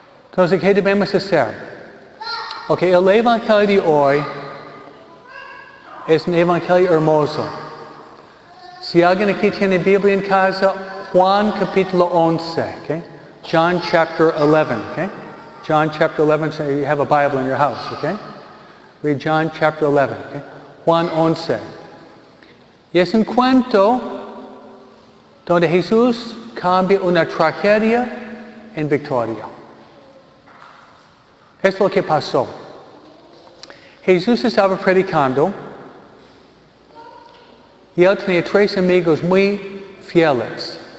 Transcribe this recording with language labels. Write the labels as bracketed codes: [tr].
[es] Entonces, ¿qué debemos hacer? Ok, el evangelio de hoy es un evangelio hermoso. Si alguien aquí tiene Biblia en casa, Juan capítulo 11, ok? [en] John chapter 11, okay? John chapter 11, so you have a Bible in your house, okay? Read John chapter 11, okay? Juan 11. [es] Y es un cuento donde Jesús cambia una tragedia en victoria. Es lo que pasó. Jesús estaba predicando y él tenía tres amigos muy fieles.